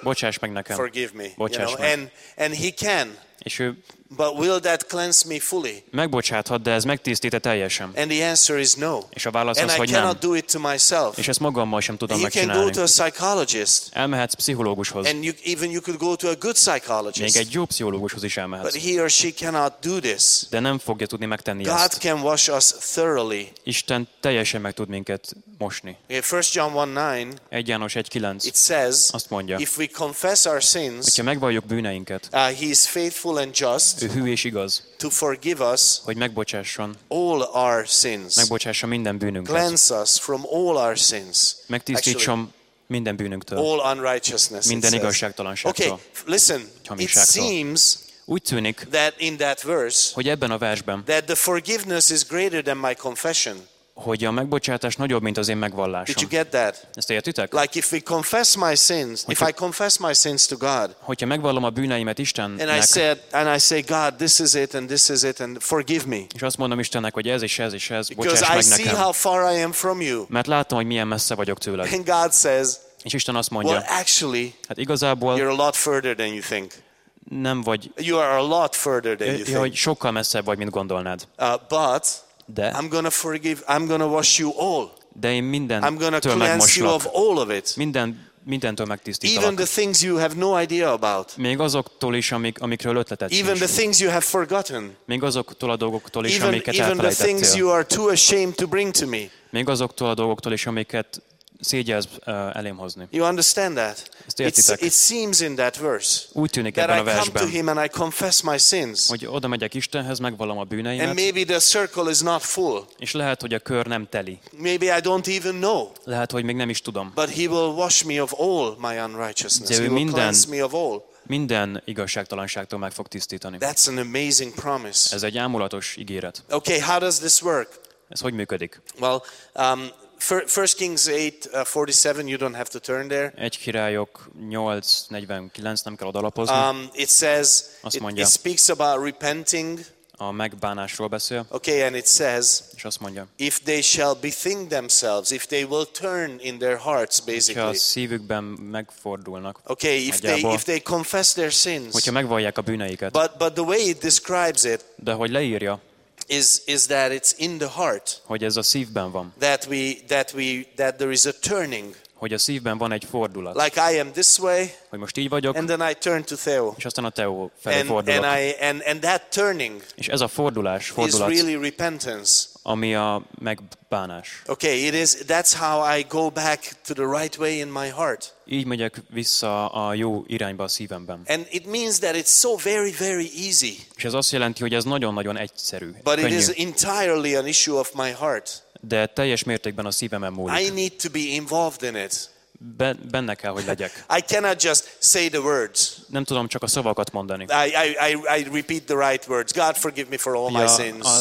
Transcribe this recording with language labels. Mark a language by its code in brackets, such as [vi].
[hu] Bocsáss meg nekem. [en] Forgive me. [hu] Bocsáss meg. [en] And he can. [hu] És ő, [en] but will that cleanse me fully? [hu] Megbocsáthat, de ez megtisztít-e teljesen? [en] And the answer is no. [hu] És a válasz az, hogy nem. [en] And I cannot do it to myself. [hu] És ezt magammal sem tudom megcsinálni. [en] You can go to a psychologist. [hu] Elmehetsz pszichológushoz. [en] And you, even you could go to a good psychologist. [hu] Még egy jó pszichológushoz is elmehetsz. [en] But he or she cannot do this. [hu] De nem fogja tudni megtenni ezt. [en] God can wash us thoroughly. [hu] Isten teljesen meg tud minket mosni. [en] Okay, 1 John 1:9. [hu] 1 János 1:9. [en] It says, [hu] azt mondja, [en] if we confess our sins, [hu] hogyha megvalljuk bűneinket, [en] he is faithful and just. [hu] Ő hű és igaz, [en] to forgive us, [hu] hogy megbocsásson, [en] all our sins, [hu] megbocsásson minden bűnünket, [en] cleanse us from all our sins, [hu] megtisztítson minden bűnünktől, [en] all unrighteousness, [hu] minden igazságtalanságtól. [en] Okay, listen, it seems, [hu] úgy tűnik, [en] that in that verse, [hu] hogy ebben a versben, [en] that the forgiveness is greater than my confession. [hu] Hogy a megbocsátás nagyobb, mint az én megvallásom. [en] Did you get that? [hu] Ezt értitek? [en] Like if we confess my sins, if I confess my sins to God. [hu] Hogyha megvallom a bűneimet Istennek. [en] And I say, God, this is it, and this is it, and forgive me. [hu] És azt mondom Istennek, hogy ez és ez és ez, bocsáss meg nekem. [en] Because I see how far I am from you. [hu] Mert látom, hogy milyen messze vagyok tőled. [en] And God says, [hu] és Isten azt mondja, [en] well, actually, [hu] hát igazából, [en] you're a lot further than you think. [hu] Nem vagy. [en] You are a lot further than you think. [hu] Hogy sokkal messzebb vagy, mint gondolnád. [en] But [hu] de. [en] I'm gonna forgive. I'm gonna wash you all. [hu] De én minden. [en] I'm gonna cleanse you of all of it. [hu] Mindentől megtisztítalak. [en] Even the things you have no idea about. [hu] Még azoktól is, amikről ötleted sincs. Even the things you have forgotten. Még azoktól a dolgoktól is, amiket elfelejtettél. [en] Even the things you are too ashamed to bring to me. [hu] Még azoktól a dolgoktól is, amiket szégyelsz elém hozni. [en] You understand that? [hu] Ezt értitek? [en] It seems in that verse. [hu] Úgy tűnik ebben a versben. [en] That I come to him and I confess my sins. [hu] Hogy oda megyek Istenhez, megvallom a bűneimet. [en] And maybe the circle is not full. [hu] És lehet, hogy a kör nem teli. [en] Maybe I don't even know. [hu] Lehet, hogy még nem is tudom. [en] But he will wash me of all my unrighteousness. [hu] De ő minden, [en] cleanse me of all. [hu] Minden igazságtalanságtól meg fog tisztítani. [en] That's an amazing promise. [hu] Ez egy ámulatos ígéret. [en] Okay, how does this work? [hu] Ez hogy működik? [en] Well, 1 Kings 8:47, you don't have to turn there. [hu] 1 Királyok 8:49, nem kell odalapozni. [en] It says, [hu] mondja, [en] it speaks about repenting. [hu] A megbánásról beszél. [en] Okay, and it says, [hu] és azt mondja, [en] if they shall bethink themselves, if they will turn in their hearts, basically. [hu] Hogyha a szívükben megfordulnak. [en] Okay, if they confess their sins. [hu] Hogyha megvallják a bűneiket. [en] But the way it describes it. [hu] De hogy leírja. [en] Is that it's in the heart, [hu] hogy ez a szívben van, [en] that there is a turning, [hu] hogy a szívben van egy fordulat, [en] like I am this way, [hu] hogy most így vagyok, [en] and then I turn to Theo, [hu] és aztán a Theo felé fordulok, [en] and that turning, [hu] és ez a fordulat [en] is really repentance, [hu] ami a megbánás. [en] Okay, it is, that's how I go back to the right way in my heart. [hu] Így megyek vissza a jó irányba a szívemben. [en] And it means that it's so very very easy. [hu] És ez azt jelenti, hogy ez nagyon-nagyon egyszerű. [en] But [hu] könnyű. [en] It is entirely an issue of my heart. [hu] De teljes mértékben a szívemen múlik. [en] I need to be involved in it. [hu] Benne kell, hogy legyek. [en] I cannot just say the words. [hu] Nem tudom csak a szavakat mondani. [en] I repeat the right words. God forgive me for all my sins.